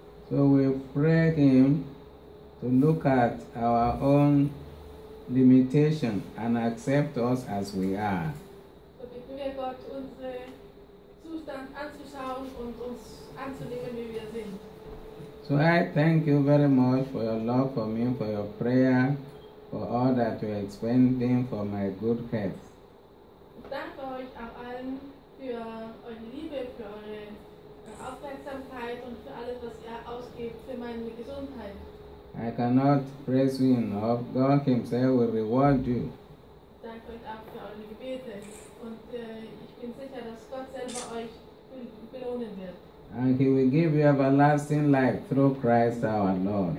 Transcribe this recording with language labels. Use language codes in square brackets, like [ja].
[en] So we pray Him to look at our own limitation and accept us as we are. [de] So bitten wir Gott, unseren Zustand anzuschauen und uns anzunehmen, wie wir sind. [en] So I thank you very much for your love for me, for your prayer, for all that you are expending for my good health. [de] Ich danke euch auch allen für eure Liebe, für eure Aufmerksamkeit und für alles, was ihr ausgibt für meine Gesundheit. [en] I cannot praise you enough. God Himself will reward you. [de] Danke euch auch für eure Gebete und ich bin sicher, dass Gott selber euch belohnen wird. [en] And He will give you everlasting life through Christ our Lord.